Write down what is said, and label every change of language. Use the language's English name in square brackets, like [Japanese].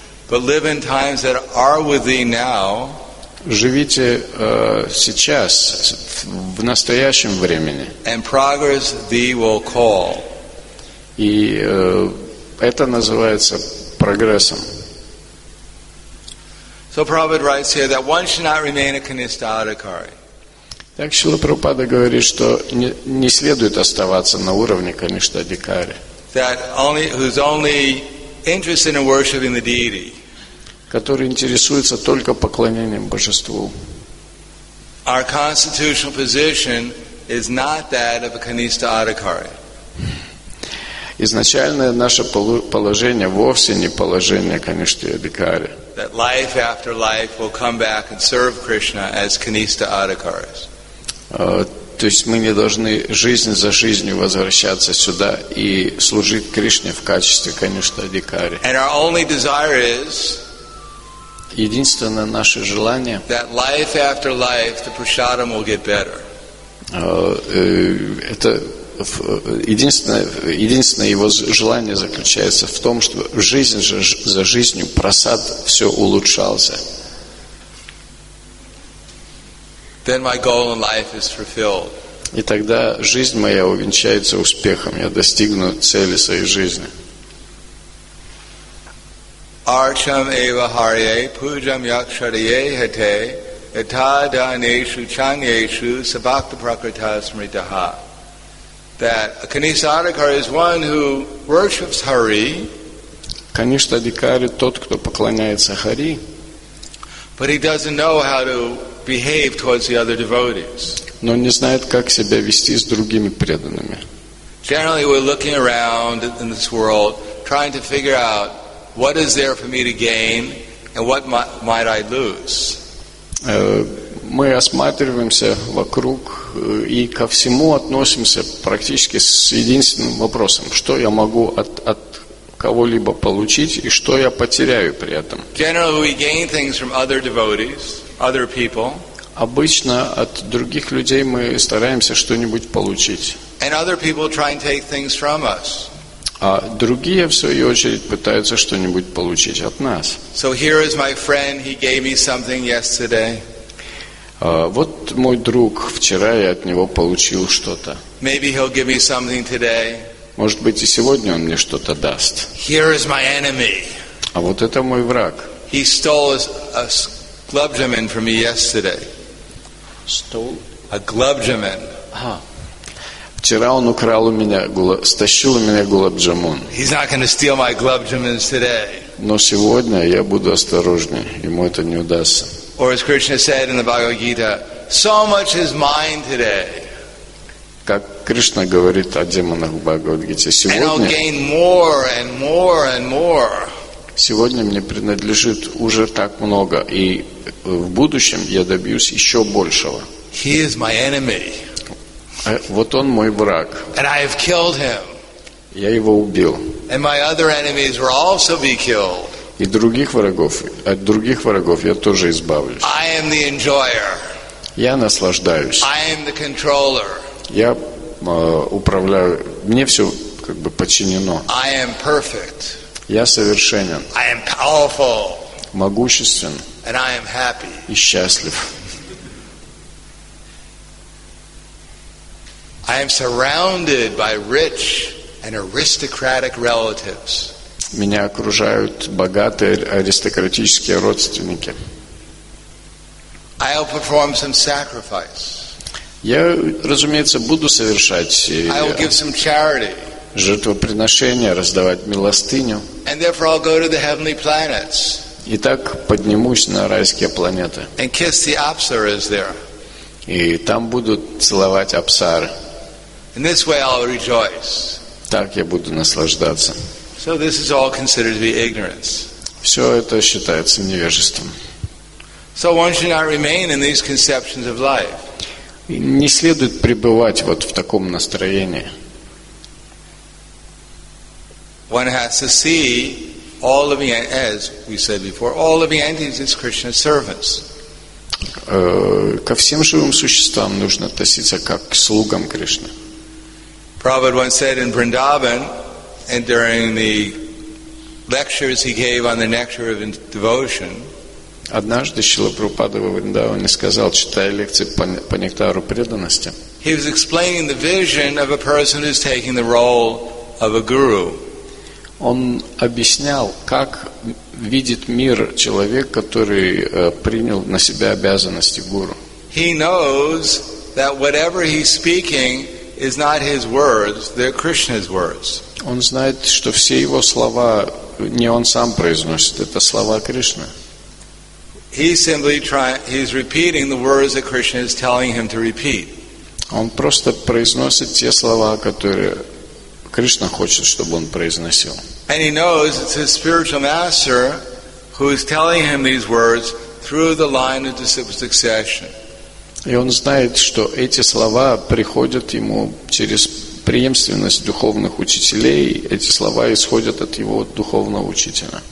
[English] But live in times that are with thee now. [Russian] Живите сейчас, в настоящем времени. [English] And progress thee will call. [Russian] И это называется прогрессом. [English] So Prabhupada writes here that one should not remain a kanista adhikari. [Russian] Так Шрила Прабхупада говорит, что не следует оставаться на уровне каништа адхикари. [English] That only, who's only interested in worshiping the deity. [Russian] Который интересуется только поклонением божеству. [English] Our constitutional position is not that of a kanista adhikari. [Russian] Изначальное наше положение вовсе не положение каништы адхикари. [English] That life after life will come back and serve Krishna as kanista adhikaris. [Russian] То есть мы не должны жизнь за жизнью возвращаться сюда и служить Кришне в качестве каништа адхикари. [English] And our only desire is. [Russian] Единственное наше желание. [English] That life after life the prasadam will get better. [Russian] Это единственное его желание заключается в том, что жизнь за жизнью просад все улучшался. [English] Then my goal in life is fulfilled. [Russian] И тогда жизнь моя увенчается успехом, я достигну цели своей жизни. [Sanskrit] Archam eva harye pujam yakshariye hate etada neshu chanyeshu sabakta prakrita smritaha. [English] That a kanista adhikari is one who worships Hari. [Russian] Kanista adhikari тот, кто поклоняется Хари. [English] But he doesn't know how to behave towards the other devotees. [Russian] Но не знает, как себя вести с другими преданными. [English] Generally, we're looking around in this world, trying to figure out what is there for me to gain and what might I lose. [Russian] Мы осматриваемся вокруг и ко всему относимся практически с единственным вопросом: что я могу от кого-либо получить и что я потеряю при этом. [English] Generally, we gain things from other devotees, other people. [Russian] Обычно от других людей мы стараемся что-нибудь получить. [English] And other people try and take things from us. [Russian] А другие, в свою очередь, пытаются что-нибудь получить от нас. [English] So here is my friend, he gave me something yesterday. [Russian] Вот мой друг, вчера я от него получил что-то. [English] Maybe he'll give me something today. [Russian] Может быть, и сегодня он мне что-то даст. [English] Here is my enemy. [Russian] А вот это мой враг. [English] He stole a glubjaman from me yesterday. Stole? A glubjaman. [Russian] Вчера он украл у меня, стащил у меня глобджамун. [English] He's not going to steal my glubjamans today. [Russian] Но сегодня я буду осторожнее, ему это не удастся. [English] Or as Krishna said in the Bhagavad Gita, so much is mine today. [Russian] Как Кришна говорит о демонах в Бхагавад Гите, сегодня. [English] And I'll gain more and more and more. [Russian] Сегодня мне принадлежит уже так много, и в будущем я добьюсь еще большего. [English] He is my enemy. [Russian] Вот он мой враг. [English] And I have killed him. [Russian] Я его убил. [English] And my other enemies will also be killed. [Russian] И других врагов, от других врагов я тоже избавлюсь. [English] I am the enjoyer. [Russian] Я наслаждаюсь. [English] I am the controller. [Russian] Я управляю. Мне все как бы подчинено. [English] I am perfect. [Russian] Я совершенен. [English] I am powerful. [Russian] Могуществен. [English] And I am happy. [Russian] И счастлив. [English] I am surrounded by rich and aristocratic relatives. [Russian] Меня окружают богатые аристократические родственники. [English] I'll perform some sacrifice. [Russian] Я, разумеется, буду совершать. [English] I'll give some charity. [Russian] Жертвоприношения, раздавать милостыню. [English] And therefore I'll go to the heavenly planets. [Russian] И так поднимусь на райские планеты. [English] And kiss the apsaras there. [Russian] И там будут целовать апсары. [English] In this way I'll rejoice. [Russian] Так я буду наслаждаться. [English] So this is all considered to be ignorance. [Russian] Все это считается невежеством. [English] So one should not remain in these conceptions of life. [Russian] Не следует пребывать вот в таком настроении. [English] One has to see all living, as we said before, all living entities as Krishna's servants. [Russian] Ко всем живым существам нужно относиться как к слугам Кришны. [English] Prabhupada once said in Vrindavan, and during the lectures he gave on the nectar of devotion. [Russian] Однажды Шрила Прабхупада во Вриндаване сказал, читая лекции по нектару преданности. [English] He was explaining the vision of a person who is taking the role of a guru. [Russian] Он объяснял, как видит мир человек, который принял на себя обязанности гуру. [English] He knows that whatever he's speaking is not his words, they're Krishna's words. [Russian] Он знает, что все его слова не он сам произносит, это слова Кришны. [English] He's repeating the words that Krishna is telling him to repeat. [Russian] Он просто произносит те слова, которые Кришна хочет, чтобы он произносил. [English] And he knows it's his spiritual master who is telling him these words through the line of disciple succession. [Russian] И он знает, что эти слова приходят ему через преемственность духовных учителей, эти слова исходят от его духовного учителя.